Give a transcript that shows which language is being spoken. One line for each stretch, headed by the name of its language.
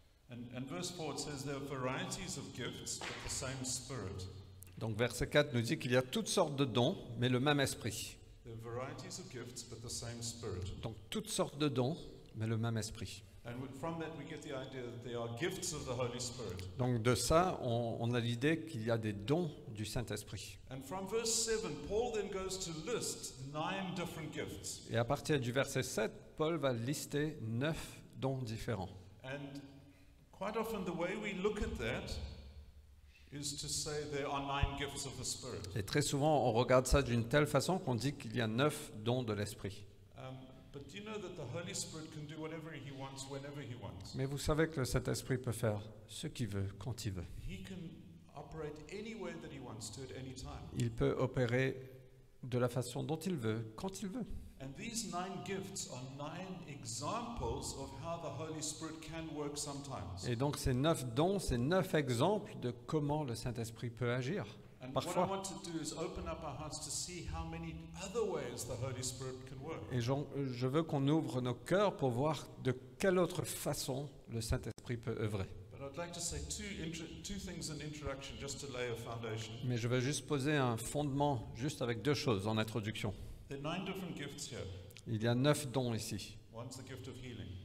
English: And verse 4 says there are varieties of gifts but the same spirit.
French: Donc verset 4 nous dit qu'il y a toutes sortes de dons mais le même esprit.
English: There are varieties of gifts but the same spirit.
French: Donc toutes sortes de dons mais le même esprit.
English: And from that we get the idea that there are gifts of the Holy Spirit.
French: Donc de ça on a l'idée qu'il y a des dons du Saint-Esprit.
English: And from verse 7 Paul then goes to list 9 different gifts.
French: Et à partir du verset 7 Paul va lister 9 dons différents.
English: And quite often the way we look at that is to say there are 9 gifts of the Spirit.
French: Et très souvent on regarde ça d'une telle façon qu'on dit qu'il y a 9 dons de l'Esprit.
English: But you know that the Holy Spirit can do whatever he wants whenever he wants.
French: Mais vous savez que le Saint-Esprit peut faire ce qu'il veut quand il veut.
English: He can operate any way that he wants to at any time.
French: Il peut opérer de la façon dont il veut quand il veut.
English: And these 9 gifts are 9 examples of how the Holy Spirit can work sometimes.
French: Et donc ces 9 dons, c'est 9 exemples de comment le Saint-Esprit peut agir.
English: And
French: parfois.
English: What I want to do is open up our hearts to see how many other ways the Holy Spirit can work.
French: Et je veux qu'on ouvre nos cœurs pour voir de quelle autre façon le Saint-Esprit peut œuvrer.
English: But I'd like to say two things in introduction just to lay a foundation.
French: Mais je veux juste poser un fondement juste avec 2 choses en introduction.
English: There are 9 different gifts here.
French: Il y a 9 dons ici.
English: One's the gift of healing.